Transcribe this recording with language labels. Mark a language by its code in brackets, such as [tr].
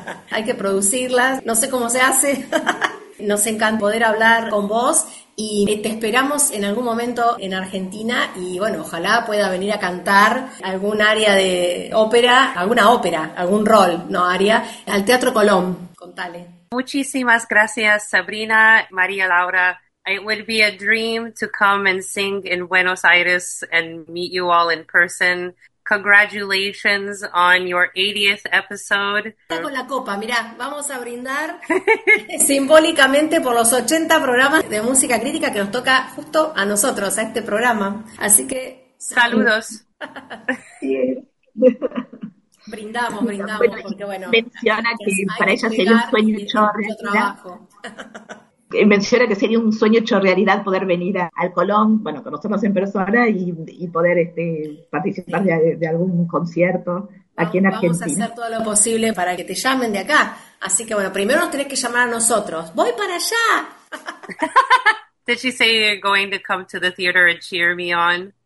[es] Hay que producirlas. No sé cómo se hace. Nos encanta poder hablar con vos. Y te esperamos en algún momento en Argentina y, bueno, ojalá pueda venir a cantar algún área de ópera, alguna ópera, algún rol, no área, al Teatro Colón. Contale. Muchísimas gracias, Sabrina, María Laura. [en] It would be a dream to come and sing in Buenos Aires and meet you all in person. Congratulations on your 80th episode. [es] Está con la copa, mirá, vamos a brindar simbólicamente por los 80 programas de Música Crítica que nos toca justo a nosotros, a este programa. Así que, saludos. brindamos, bueno, porque bueno. Menciona que para ella sería un sueño hecho realidad. Menciona que sería un sueño hecho realidad poder venir al Colón, bueno, conocernos en persona y poder participar de algún concierto. Aquí en Argentina. Vamos a hacer todo lo posible para que te llamen de acá. Así que bueno, primero nos tenés que llamar a nosotros. ¡Voy para allá! [en] Did she say you're going to come to the theater and cheer me on?